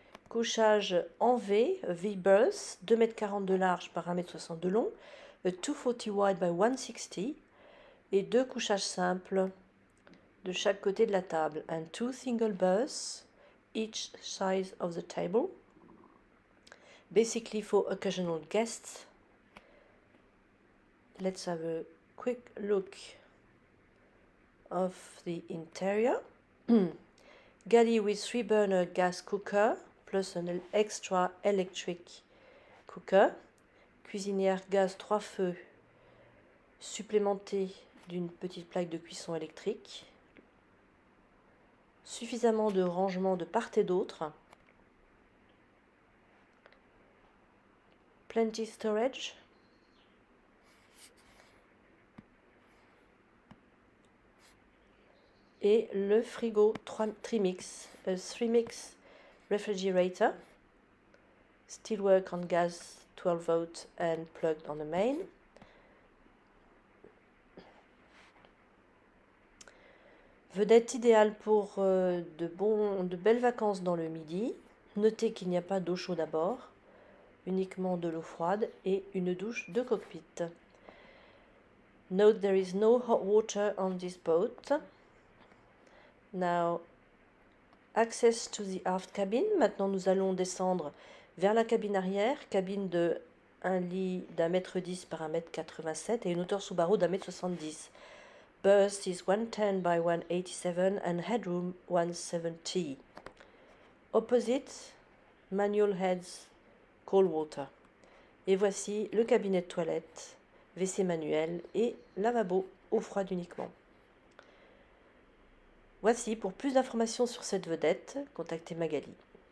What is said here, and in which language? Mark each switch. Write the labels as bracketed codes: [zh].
[fr] Couchage en V, V-berth, 2,40 m de large par 1,60 m de long, [en] 240 wide by 160, [fr] et deux couchages simples de chaque côté de la table, [en] and two single berths, each size of the table, basically for occasional guests. Let's have a quick look of the interior. Galley with three burner gas cooker plus an extra electric cooker. [fr] Cuisinière gaz trois feux supplémentée d'une petite plaque de cuisson électrique. Suffisamment de rangement de part et d'autre. [en] Plenty storage. [fr] Et le frigo Trimix, [en] a Trimix refrigerator, steelwork on gas 12 volt and plugged on the main. [fr] Vedette idéale pour de belles vacances dans le midi. Notez qu'il n'y a pas d'eau chaude à bord, uniquement de l'eau froide et une douche de cockpit. [en] Note there is no hot water on this boat. Now, access to the aft cabin. [fr] Maintenant, nous allons descendre vers la cabine arrière. Cabine de un lit d'1,10 m par 1,87 m et une hauteur sous barreau d'1,70 m. [en] Berth is 110 by 187 and headroom 170. Opposite, manual heads, cold water. [fr] Et voici le cabinet de toilette, WC manuel et lavabo eau froide uniquement. Voici, pour plus d'informations sur cette vedette, contactez Magali.